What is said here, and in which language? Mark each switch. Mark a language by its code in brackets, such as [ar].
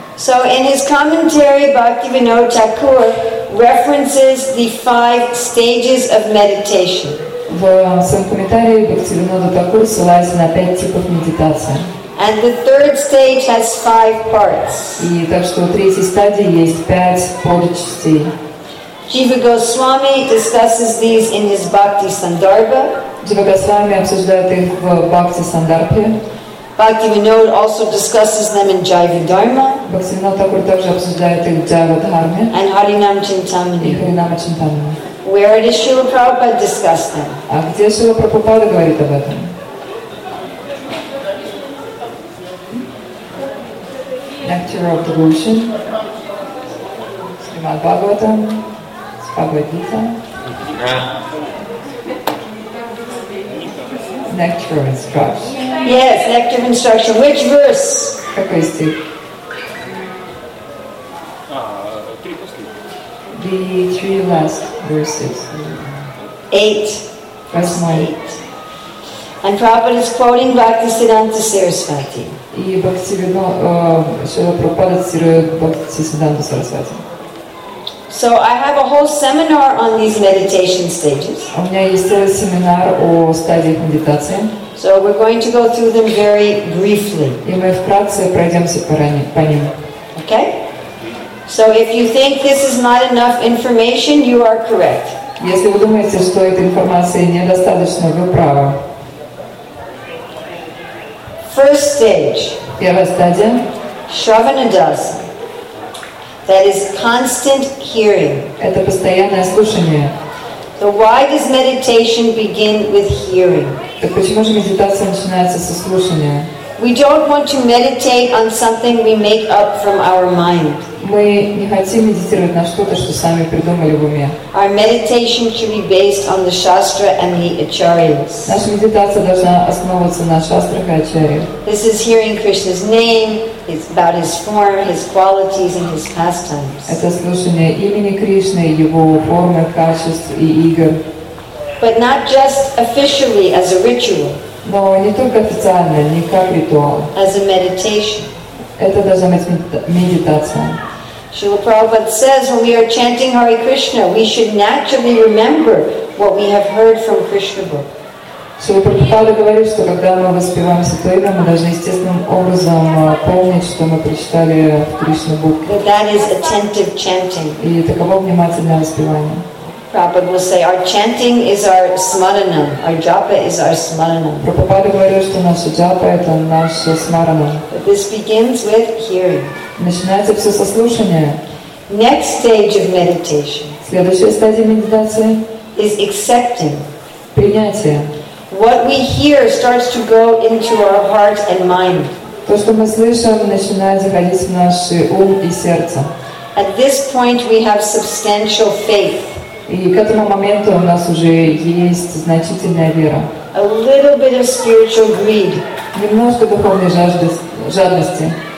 [en] So in his commentary, Бхактивинода Тхакур references the five stages of meditation. [ru] В своем комментарии Бхактивинода Тхакур ссылается на пять типов медитации. [en] And the third stage has five parts. [ru] И так что в третьей стадии есть пять подчастей. [en] Jiva Goswami discusses these in his Bhakti Sandarbha. [ru] Jiva Goswami обсуждает их в Bhakti Sandarbha. [en] Бхактивинод also discusses them in Jiva Dharma. [ru] Бхактивинод такой также обсуждает их в Jiva Dharma. [en] And Харинам Чинтамани. [ru] И Харинам Чинтамани. [en] Where did Шрила Прабхупада discuss them? [ru] А где Шрила Прабхупада говорит об этом? [en] Nectar of Devotion. Srimad Bhagavatam. Bhagavad Gita. Nectar of Instruction. Yes, Nectar of Instruction. Which verse? [ru] Какой стих? [en] The three last verses. Eight. [ru] Восьмой. [en] And Prabhupada is quoting Bhaktisiddhanta Sarasvati. [ru] И Прабхупада цитирует Бхактисиддханту Сарасвати. [en] So I have a whole seminar on these meditation stages. [ru] У меня есть целый семинар о стадиях медитации. [en] So we're going to go through them very briefly. [ru] И мы вкратце пройдемся по ним. [en] Okay? So if you think this is not enough information, you are correct. [ru] Если вы думаете, что этой информации недостаточно, вы правы. [en] First stage. [ru] Первая стадия. [en] Shravanadasa. That is constant hearing. [ru] Это постоянное слушание. [en] So why does meditation begin with hearing? [ru] Так почему же медитация начинается со слушания? [en] We don't want to meditate on something we make up from our mind. [ru] Мы не хотим медитировать на что-то, что сами придумали в уме. [en] Our meditation should be based on the Shastra and the Acharyas. [ru] Наша медитация должна основываться на Шастрах и Ачарьях. [en] This is hearing Krishna's name, it's about his form, his qualities and his pastimes. [ru] Это слушание имени Кришны, его формы, качеств и игр. [en] But not just officially as a ritual. [ru] Но не только официально, не как ритуал. [en] As a meditation. [ru] Это должна быть медитация. [en] Srila Prabhupada says, when we are chanting Hare Krishna, we should naturally remember what we have heard from Krishna book. [ru] Srila Prabhupada говорит, что когда мы воспеваем Святое Имя, мы должны естественным образом помнить, что мы прочитали в Кришна Букке. [en] But that is attentive chanting. [ru] И таково внимательное воспевание. [en] Prabhupada will say, our chanting is our smaranam. Our japa is our smaranam. [ru] Prabhupada говорит, что наша джапа — это наша смарана. [en] This begins with hearing. [ru] Начинается все со слушания. [en] Next stage of meditation. [ru] Следующая стадия медитации. [en] Is accepting. [ru] Принятие. [en] What we hear starts to go into our heart and mind. [ru] То, что мы слышим, начинает заходить в наш ум и сердце. [en] At this point we have substantial faith. [ru] И к этому моменту у нас уже есть значительная вера. [en] A little bit of spiritual greed. [ru] Немножко духовной жадности.